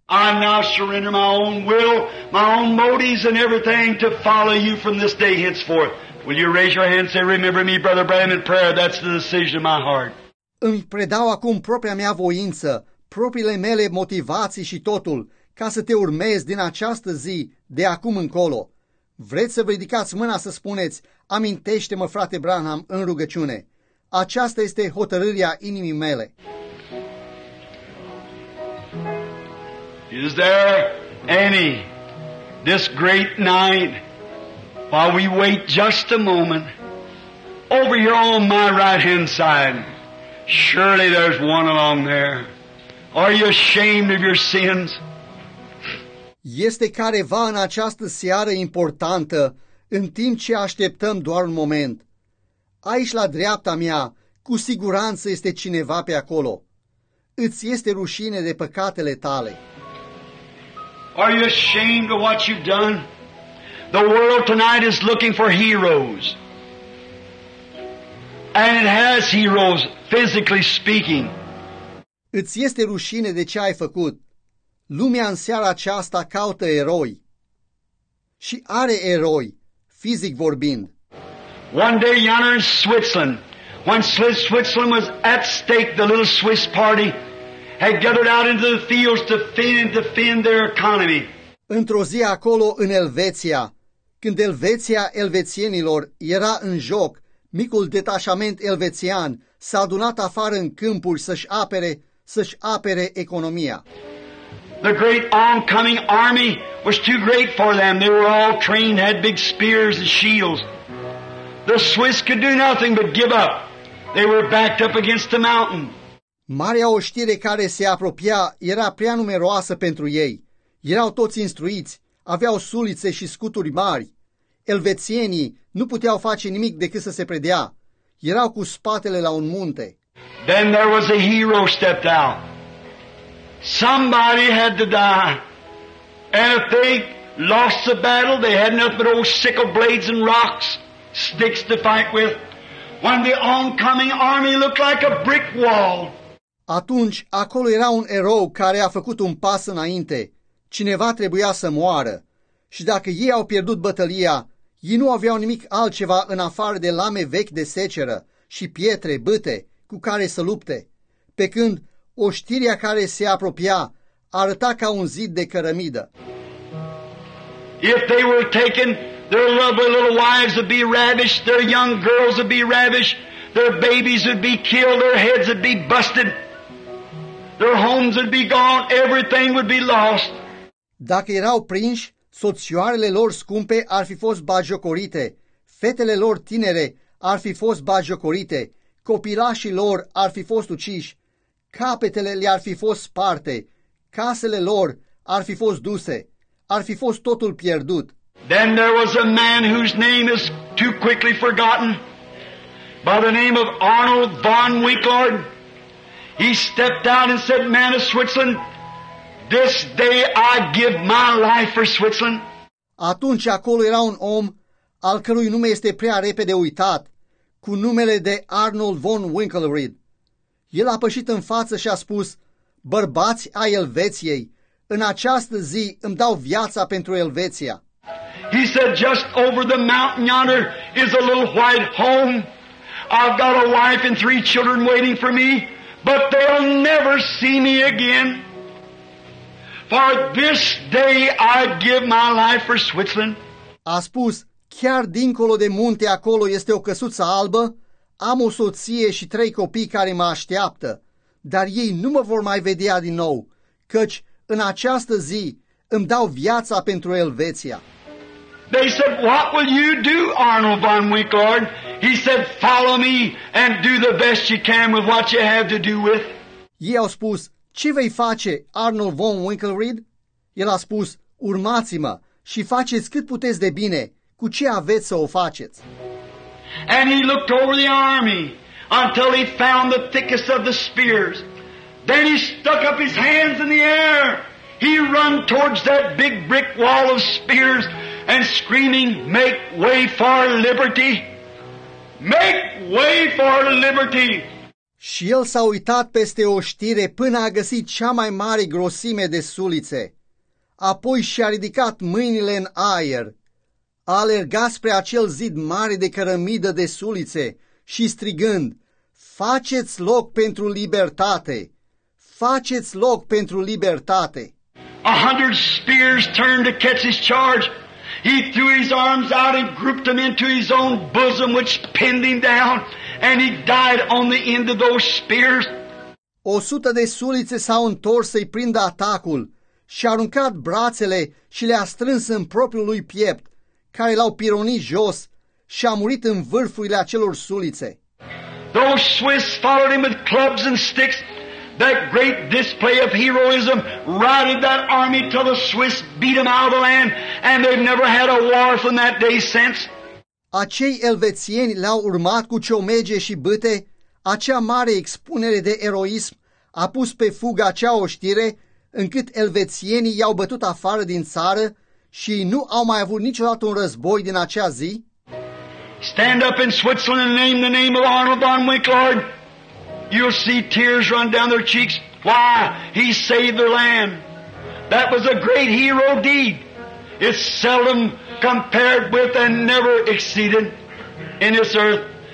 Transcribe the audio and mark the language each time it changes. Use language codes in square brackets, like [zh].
[en] I now surrender my own will, my own motives and everything to follow you from this day henceforth. Will you raise your hand and say, remember me, Brother Branham, in prayer? That's the decision of my heart. [ro] Îmi predau acum propria mea voință, propriile mele motivații și totul, ca să te urmez din această zi, de acum încolo. Vreți să vă ridicați mâna să spuneți, amintește-mă, frate Branham, în rugăciune. Aceasta este hotărârea inimii mele. [en] Is there any this great night while we wait just a moment over here on my right hand side? Surely there's one along there. Are you ashamed of your sins? [ro] Este careva în această seară importantă, în timp ce așteptăm doar un moment. Aici la dreapta mea, cu siguranță este cineva pe acolo. Îți este rușine de păcatele tale? [en] Are you ashamed of what you've done? The world tonight is looking for heroes. And it has heroes, physically speaking. [ro] Îți este rușine de ce ai făcut? Lumea în seara aceasta caută eroi. Și are eroi, fizic vorbind. [en] One day yonder in Switzerland, when Switzerland was at stake, the little Swiss party had gathered out into the fields to defend their economy. [ro] Într-o zi acolo în Elveția, când Elveția elvețienilor era în joc, micul detașament elvețian s-a adunat afară în câmpuri să-și apere economia. [en] The great oncoming army was too great for them. They were all trained, had big spears and shields. The Swiss could do nothing but give up. They were backed up against the mountain. [ro] Marea oștire care se apropia era prea numeroasă pentru ei. Erau toți instruiți, aveau sulițe și scuturi mari. Elvețienii nu puteau face nimic decât să se predea. Erau cu spatele la un munte. [en] Then there was a hero stepped out. Somebody had to die. And if they lost the battle, they had nothing but old sickle blades and rocks, sticks to fight with. When the oncoming army looked like a brick wall. [ro] Atunci, acolo era un erou care a făcut un pas înainte. Cineva trebuia să moară. Și dacă ei au pierdut bătălia, ei nu aveau nimic altceva în afară de lame vechi de seceră și pietre, băte, cu care să lupte. Pe când oștirea care se apropia arăta ca un zid de cărămidă. [en] If they were taken, their lovely little wives would be ravished, their young girls would be ravished, their babies would be killed, their heads would be busted. Their homes would be gone, everything would be lost. [ro] Dacă erau prinși, soțioarele lor scumpe ar fi fost bajocorite, fetele lor tinere ar fi fost bajocorite, copilașii lor ar fi fost uciși, capetele le-ar fi fost sparte, casele lor ar fi fost duse, ar fi fost totul pierdut. [en] Then there was a man whose name is too quickly forgotten, by the name of Arnold von Winkelried. He stepped out and said, "Man of Switzerland, this day I give my life for Switzerland." [ro] Atunci acolo era un om, al cărui nume este prea repede uitat, cu numele de Arnold von Winkelried. El a pășit în față și a spus: bărbați ai Elveției, în această zi îmi dau viața pentru Elveția. [en] He said, just over the mountain yonder is a little white home. I've got a wife and three children waiting for me, but they'll never see me again. For this day I give my life for Switzerland. [ro] A spus, chiar dincolo de munte acolo este o căsuță albă, am o soție și trei copii care mă așteaptă, dar ei nu mă vor mai vedea din nou, căci în această zi îmi dau viața pentru Elveția. [en] They said, what will you do, Arnold von Winkelried? He said, follow me and do the best you can with what you have to do with. [ro] Ei au spus, ce vei face, Arnold von Winkelried? El a spus, urmați-mă și faceți cât puteți de bine, cu ce aveți să o faceți. [en] And he looked over the army until he found the thickest of the spears. Then he stuck up his hands in the air. He ran towards that big brick wall of spears and screaming, make way for liberty! Make way for liberty! [ro] Și el s-a uitat peste oștire până a găsit cea mai mare grosime de sulițe. Apoi și-a ridicat mâinile în aer. A alergat spre acel zid mare de cărămidă de sulițe și strigând, faceți loc pentru libertate! Faceți loc pentru libertate! [en] 100 spears turned to catch his charge. He threw his arms out and grouped them into his own bosom, which pinned him down, and he died on the end of those spears. [ro] 100 de sulițe s-au întors să-i prindă atacul și a aruncat brațele și le-a strâns în propriul lui piept, care l-au pironit jos și a murit în vârfurile acelor sulițe. [en] Those Swiss followed him with clubs and sticks. That great display of heroism routed that army till the Swiss beat them out of the land, and they've never had a war from that day since. [ro] Acei elvețieni le-au urmat cu ciomege și bâte, acea mare expunere de eroism a pus pe fugă acea oștire, încât elvețienii i-au bătut afară din țară și nu au mai avut niciodată un război din acea zi. [en] Stand up in Switzerland and name the name of Arnold von Winkelried. You'll see tears run down their cheeks. Why? He saved their land. That was a great hero deed. It's seldom compared with and never exceeded in this earth.